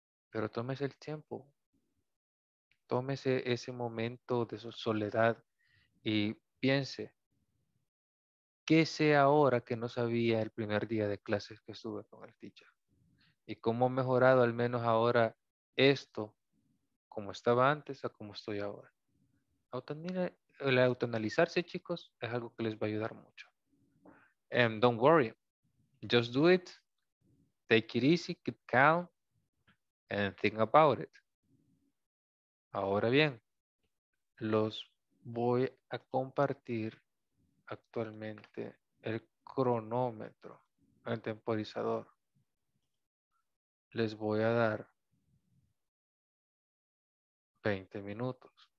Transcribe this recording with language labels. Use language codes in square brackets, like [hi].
[es] Pero tómese el tiempo. Tómese ese momento de su soledad y piense, ¿qué sé ahora que no sabía el primer día de clases que estuve con el teacher? ¿Y cómo he mejorado al menos ahora esto, como estaba antes a como estoy ahora? El autoanalizarse, chicos, es algo que les va a ayudar mucho. [en] Don't worry, just do it, take it easy, keep calm, and think about it. [es] Ahora bien, los voy a compartir actualmente el cronómetro, el temporizador. Les voy a dar 20 minutos.